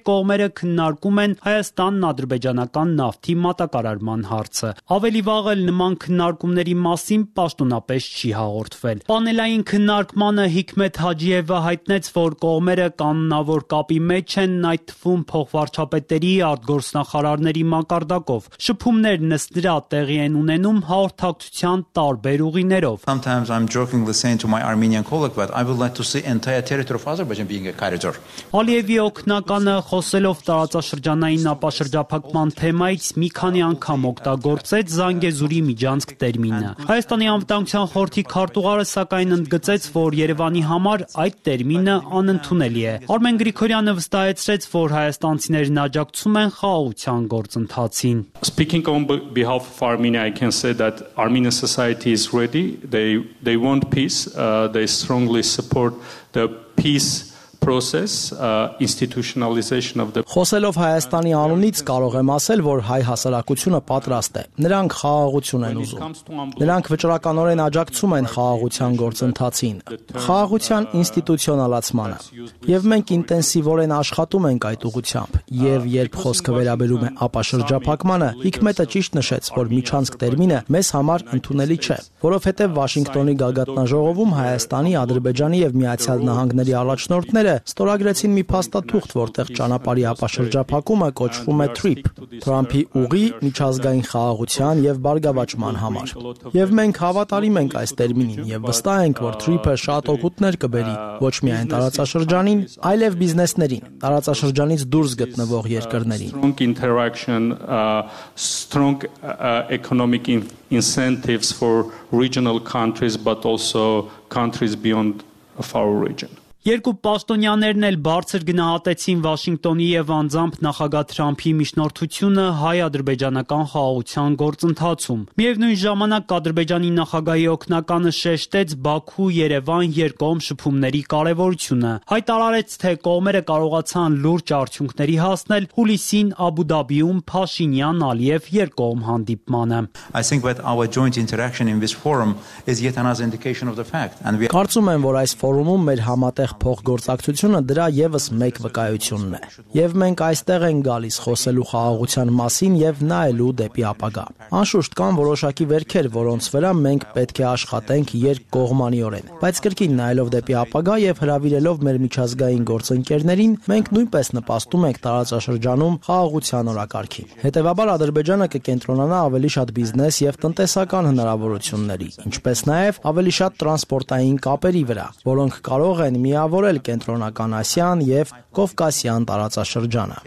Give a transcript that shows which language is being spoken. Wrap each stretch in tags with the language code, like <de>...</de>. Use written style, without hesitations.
<hy>կողմերը քննարկում են Հայաստանն ադրբեջանական նավթի մատակարարման հարցը։ Ավելի վաղ էլ նման քննարկումների մասին պաշտոնապես չի հաղորդվել։ Պանելային քննարկմանը Հիքմետ Հաջիևը հայտնեց, որ կողմերը կանոնավոր կապի մեջ են, այդ թվում փոխվարչապետերի արտգործնախարարների մակարդակով։ Շփումներն ըստ դրա տեղի են ունենում հաղորդակցության տարբեր ուղիներով։</hy> <en>Sometimes I'm jokingly saying to my Armenian colleague, but I would like to see entire territory of Azerbaijan being a corridor.</en> <hy>Ալիևի օգնականը, խոսելով տարածաշրջանային ապաշրջափակման թեմայից, մի քանի անգամ օգտագործեց Զանգեզուրի միջանցք տերմինը։ Հայաստանի անվտանգության խորհրդի քարտուղարը սակայն ընդգծեց, որ Երևանի համար այդ տերմինը անընդունելի է։ Արմեն Գրիգորյանը վստահեցրեց, որ հայաստանցիներն աջակցում են խաղաղության գործընթացին։</hy> <en>Speaking on behalf of Armenia, I can say that Armenian society is ready. They want peace. They strongly support the peace process, institutionalization of the.</en> <hy>Խոսելով Հայաստանի անունից կարող եմ ասել, որ հայ հասարակությունը պատրաստ է։ Նրանք խաղաղություն են ուզում։ Նրանք վճռականորեն աջակցում են խաղաղության գործընթացին, խաղաղության ինստիտուցիոնալացմանը։ Եվ մենք ինտենսիվորեն աշխատում ենք այդ ուղղությամբ։ Եվ երբ խոսքը վերաբերում է ապաշրջափակմանը, Հիքմետը ճիշտ նշեց, որ միջանցք տերմինը մեզ համար ընդունելի չէ, որովհետև Վաշինգտոնի գագաթնաժողովում Հայաստանի, Ադրբեջանի և Միացյալ Նահանգների առաջնորդները ընկերները ստորագրեցին մի փաստաթուղթ, որտեղ ճանապարհի ապաշրջափակումը կոչվում է TRIP, Թրամփի ուղի միջազգային խաղաղության եւ բարգավաճման համար։ Եվ մենք հավատարիմ ենք այս տերմինին եւ վստահ ենք, որ TRIP-ը շատ օգուտներ կբերի ոչ միայն տարածաշրջանին, այլև բիզնեսներին, տարածաշրջանից դուրս գտնվող երկրներին։</hy> <en>Strong interaction, strong economic incentives for regional countries but also countries beyond of our region.</en> <hy>Երկու պաշտոնյաներն էլ բարձր գնահատեցին Վաշինգտոնի եւ անձամբ նախագահ Թրամփի միջնորդությունը հայ-ադրբեջանական խաղաղության գործընթացում։ Միևնույն ժամանակ Ադրբեջանի նախագահի օգնականը շեշտեց Բաքու-Երևան երկկողմ շփումների կարևորությունը։ Հայտարարեց, թե կողմերը կարողացան լուրջ արդյունքների հասնել հուլիսին Աբուդաբիում Փաշինյան-Ալիև երկկողմ հանդիպմանը։</hy> <en>I think that our joint interaction in this forum is yet another indication of the fact and we</en> <hy>Կարծում եմ, որ այս ֆորումում մեր համ տեղ փոխգործակցությունը դրա եւս մեկ վկայությունն է։ Եվ մենք այստեղ ենք գալիս խոսելու խաղաղության մասին եւ նայելու դեպի ապագա։ Անշուշտ կան որոշակի վերքեր, որոնց վրա մենք պետք է աշխատենք երկկողմանիորեն, բայց կրկին նայելով դեպի ապագա եւ հրավիրելով մեր միջազգային գործընկերներին, մենք նույնպես նպաստում ենք տարածաշրջանում խաղաղության օրակարգին։ Հետևաբար Ադրբեջանը կկենտրոնանա ավելի շատ բիզնես եւ տնտեսական հնարավորությունների, ինչպես նաեւ ավելի շատ տրանսպորտային կապերի վրա, որոնք կարող են միավորել կենտրոնական Ասիան եւ Կովկասիան տարածաշրջանը։</hy>